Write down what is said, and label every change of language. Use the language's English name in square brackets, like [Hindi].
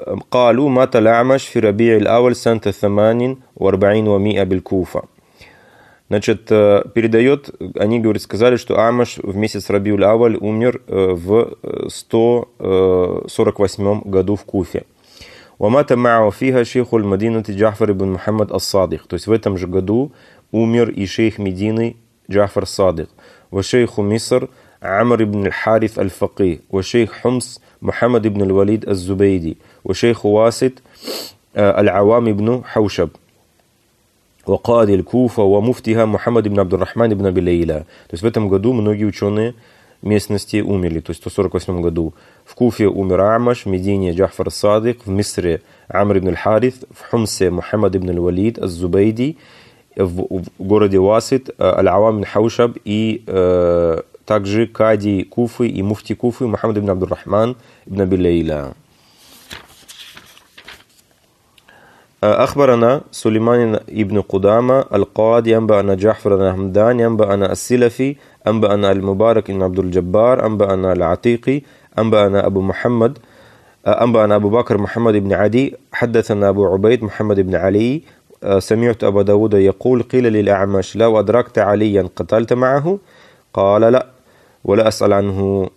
[Arabic] قالوا مات الأعمش في ربيع الأول سنة 48 بالكوفة. [Russian] Значит, передает, они, говорит, сказали, что Амаш в месяц Рабиуль-Аваль умер в 148 году в Куфе. [Arabic] ومات معه فيها شيخ المدينة جعفر بن محمد الصادق. [Russian] То есть в этом же году умер и шейх Медины Джафар Садик. [Arabic] وشيخ مصر عمر بن الحارث الفقيه وشيخ حمص محمد بن الوليد الزبيدي وشيخ واسد العوام بن حوشب وقاضي الكوفة ومفتيها محمد بن عبد الرحمن بن أبي ليلى. [Russian] То есть в этом году многие ученые местности умерли, то есть в 148 году. В Куфе умер Амаш, в Медине Джафар Садик, в Мисре Амр ибн Харис, в Хумсе Мухаммад ибн Валид Аз-Зубейди, в городе Уасит Аль-Авам ибн Хаушаб и также Кади Куфы и Муфти Куфы Мухаммад ибн Абдур-Рахман ибн Абилейля. [Arabic] أخبرنا سليمان ابن قدامة القاضي أنبأنا جعفر بن همدان أنبأنا السلفي أنبأنا المبارك بن عبد الجبار أنبأنا العتيقي أنبأنا أبو محمد أنبأنا أبو بكر محمد بن عدي حدثنا أبو عبيد محمد بن علي سمعت أبو داود يقول قيل للأعمش لو أدركت عليا قتلت معه قال لا ولا أسأل عنه.